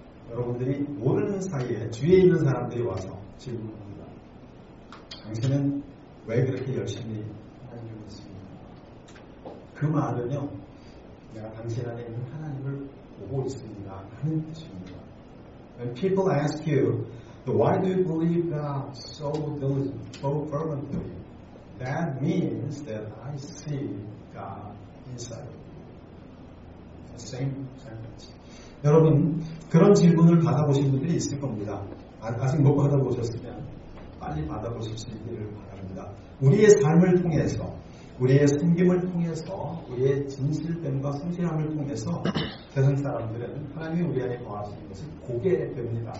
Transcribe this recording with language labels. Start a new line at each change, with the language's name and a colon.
Korean: 여러분들이 모르는 사이에 주위에 있는 사람들이 와서 질문합니다. 당신은 왜 그렇게 열심히 하나님을 믿습니까? 그 말은요. 내가 당신 안에 있는 하나님을 보고 있습니다. 하는 것입니다.
English: When people ask you, why do you believe God so diligently, so fervently? That means that I see God inside of you. The same sentence.
Korean: 여러분, 그런 질문을 받아보신 분들이 있을 겁니다. 아직 못 받아보셨으면 빨리 받아보실 수 있기를 바랍니다. 우리의 삶을 통해서 우리의 섬김을 통해서 우리의 진실됨과 성실함을 통해서 세상 사람들은 하나님이 우리 안에 거하시는 것을 보게 됩니다.